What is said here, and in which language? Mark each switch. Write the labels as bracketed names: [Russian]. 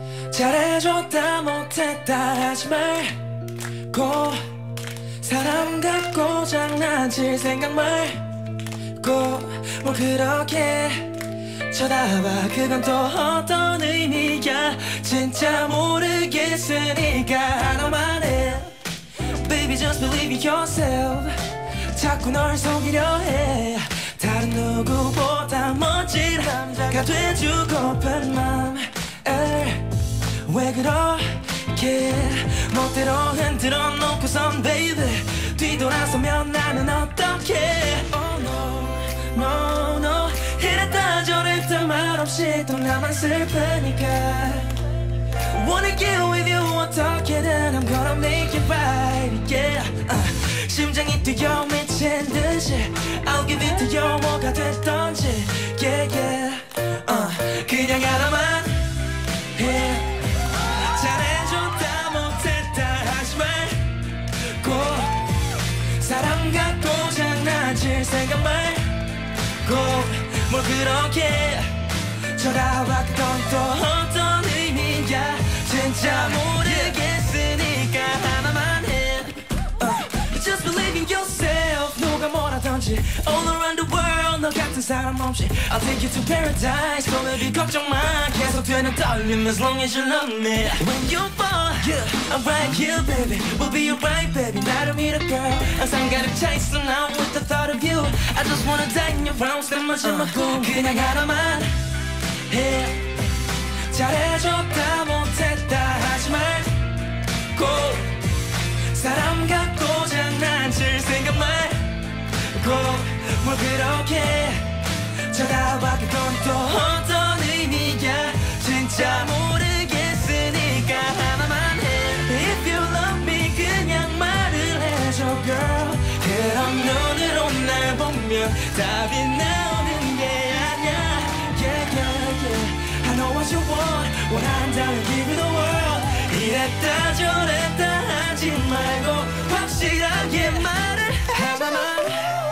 [Korean] 잘해줬다 못했다 하지 말고 사람 같고 장난칠 생각 말고 뭐 그렇게 쳐다봐. 그건 또 어떤 의미야. 진짜 모르겠으니까 하나만 해. [English] Baby just believe in yourself. [Korean] 자꾸 널 속이려 해. 다른 누구보다 멋진 남자가 돼주고픈 맘을 왜 그렇게 멋대로 흔들어 놓고선 baby 뒤돌아서면 나는 어떡해. [English] Oh no, no, no. [Korean] 이랬다 저랬다 말없이 또 나만 슬프니까. [English] Wanna get with you [Korean] 어떻게든 [English] I'm gonna make it right. Yeah. [Korean] 심장이 뛰어 미친 듯이 [English] I'll give it to you [Korean] 뭐가 됐던지. [English] Yeah, yeah. [Korean] 그냥 하나만 해. 잘해줬다 못했다 하지 말고 사람 같고 장난칠 생각 말고 뭘 그렇게 쳐다봤던 또 어떤 의미야. 진짜 모르겠으니까 하나만 해. [English] Just believe in yourself. [Korean] 누가 뭐라던지 [English] All around the world [Korean] 너 같은 사람 없이 [English] I'll take you to paradise. So baby [Korean] 걱정 마 계속 되는 떨림 [English] As long as you love me. When you fall yeah. I'm right here baby. We'll be alright baby. [Korean] 나를 믿어 [English] girl. [Korean] 항상 가득 차 있어 [English] now with the thought of you. I just wanna die in your arms. [Korean] 내 마지막 꿈 그냥 하나만 해. 잘해줬다 못했다 하지 말고 사람 같고 장난칠 생각 말고 뭘 그렇게 쳐다봐. 그건 또 어떤 의미야. 진짜 모르겠으니까 하나만 해. [English] If you love me [Korean] 그냥 말을 해줘 [English] girl. [Korean] 그럼 눈으로 날 보면 답이 나오는 게 아니야. [English] Yeah yeah yeah. I know what you want. What I'm down to give you the world. [Korean] 이랬다 저랬다 하지 말고 확실하게 말을 하나만 해.